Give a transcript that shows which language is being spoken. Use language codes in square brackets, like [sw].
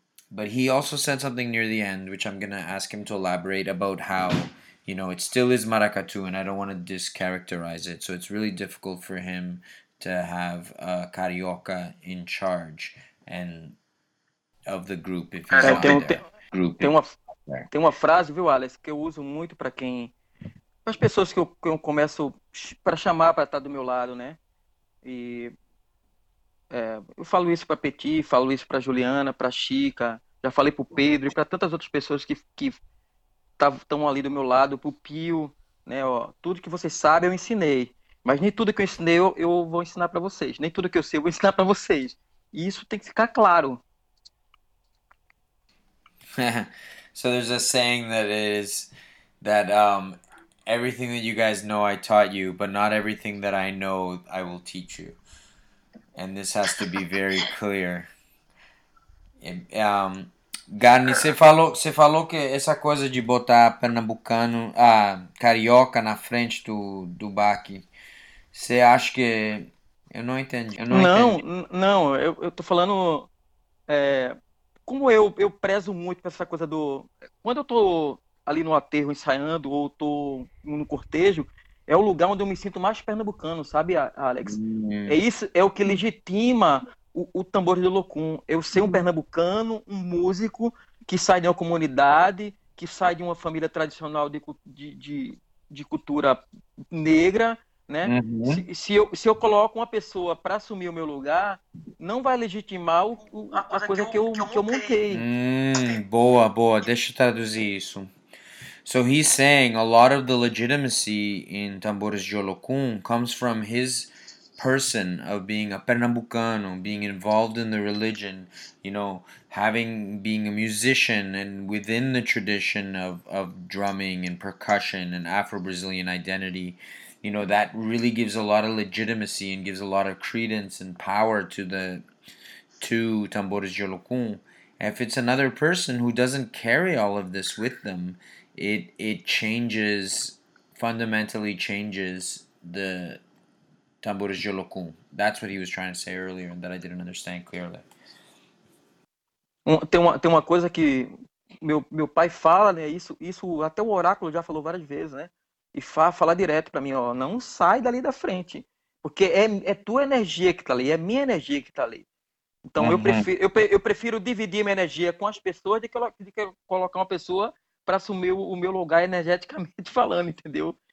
[en] But he also said something near the end, which I'm going to ask him to elaborate about how, you know, it still is maracatu and I don't want to discharacterize it. So it's really difficult for him to have carioca in charge and of the group. If he's [pt] tem uma frase, viu, Alex, que eu uso muito para quem... Para as pessoas que eu começo para chamar para estar do meu lado, né? E eu falo isso para Peti, falo isso para Juliana, para Chica, já falei para o Pedro e para tantas outras pessoas que estão ali do meu lado, para o Pio, né? Ó, tudo que vocês sabem eu ensinei, mas nem tudo que eu ensinei eu vou ensinar para vocês, nem tudo que eu sei eu vou ensinar para vocês. E isso tem que ficar claro. [en] So there's a saying that is that everything that you guys know I taught you, but not everything that I know I will teach you. And this has to be very clear. [pt] Garni, você falou que essa coisa de botar pernambucano, carioca na frente do baque, você acha que... Eu não entendi. Eu tô falando... Como eu prezo muito pra essa coisa do... Quando eu tô ali no aterro ensaiando ou tô no cortejo, é o lugar onde eu me sinto mais pernambucano, sabe, Alex? É isso, é o que legitima o tambor de locum. Eu ser um pernambucano, um músico que sai de uma comunidade, que sai de uma família tradicional de cultura negra, né? Uhum. Se eu coloco uma pessoa para assumir o meu lugar, não vai legitimar a coisa que eu montei. Boa, deixa eu traduzir isso. [en] So he's saying a lot of the legitimacy in tambores de Olocum comes from his person of being a Pernambucano, being involved in the religion, you know, being a musician and within the tradition of drumming and percussion and Afro-Brazilian identity. You know, that really gives a lot of legitimacy and gives a lot of credence and power to tambores de Olocum. If it's another person who doesn't carry all of this with them, it changes, fundamentally changes the tambores de Olocum. That's what he was trying to say earlier and that I didn't understand clearly. [pt] Tem uma coisa que meu pai fala, né? Isso até o oráculo já falou várias vezes, né? E fala direto para mim, ó, não sai dali da frente, porque é tua energia que tá ali, é minha energia que tá ali. Então, uhum. eu prefiro dividir minha energia com as pessoas do que colocar uma pessoa para assumir o meu lugar energeticamente falando, entendeu?